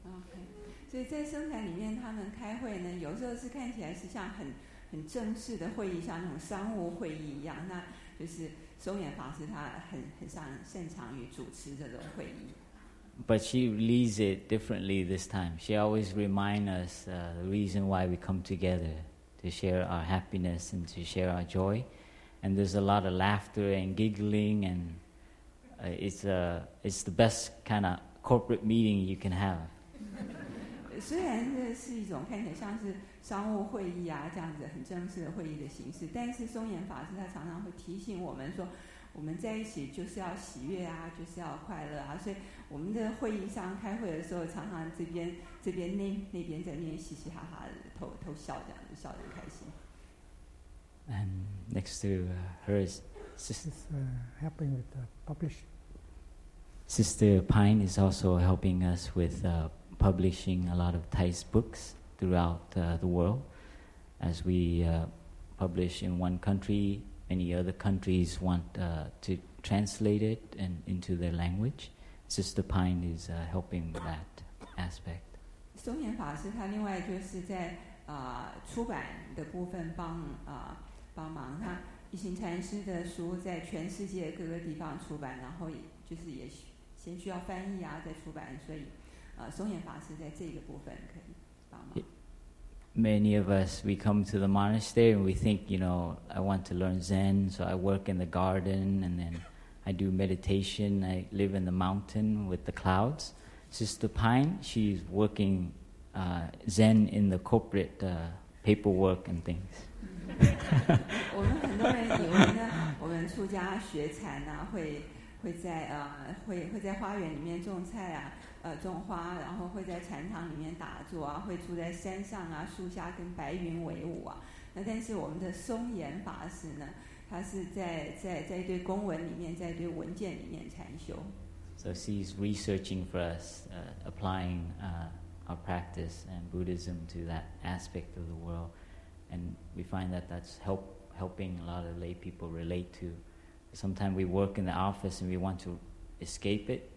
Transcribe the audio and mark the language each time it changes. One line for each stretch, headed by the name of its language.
Chinese: Okay, 所以在僧团里面，他们开会呢，有时候是看起来是像很正式的会议，像那种商务会议一样。那就是松岩法师他很擅长于主持这种会议。
English: But she leads it differently this time. She always reminds us the reason why we come together to share our happiness and to share our joy. And there's a lot of laughter and giggling and. It's the best kind of corporate meeting you can have.
Chinese: 虽然这是一种看起来像是商务会议啊这样子很正式的会议的形式，但是松岩法师他常常会提醒我们说，我们在一起就是要喜悦啊，就是要快乐啊。所以我们的会议上开会的时候，常常这边那边在那边嘻嘻哈哈的偷笑，这样子笑得很开心。
English: And next to hers. She's helping with the publishing. Sister Pine is also helping us with publishing a lot of Thai's books throughout the world. As we publish in one country, many other countries want to translate it and into their language. Sister Pine is helping with that aspect.
Chinese: 松岩法师他另外就是在出版的部分帮忙他。一行禅师的书在全世界各个地方出版，然后就是也先需要翻译啊，再出版，所以，松岩法师在这个部分可以帮忙。
English: Many of us, we come to the monastery and we think, you know, I want to learn Zen, so I work in the garden and then I do meditation. I live in the mountain with the clouds. Sister Pine, she's working Zen in the corporate paperwork and things.
Chinese: 我们很多人以为呢，我们出家学禅啊，会在花园里面种菜啊，种花，然后会在禅堂里面打坐啊，会住在山上啊，树下跟白云为伍啊。那但是我们的松岩法师呢，他是在一堆公文里面，在一堆文件里面禅修。
English: So she's researching for us, applying our practice and Buddhism to that aspect of the world. And we find that that's helping a lot of lay people relate to. Sometimes we work in the office and we want to escape it.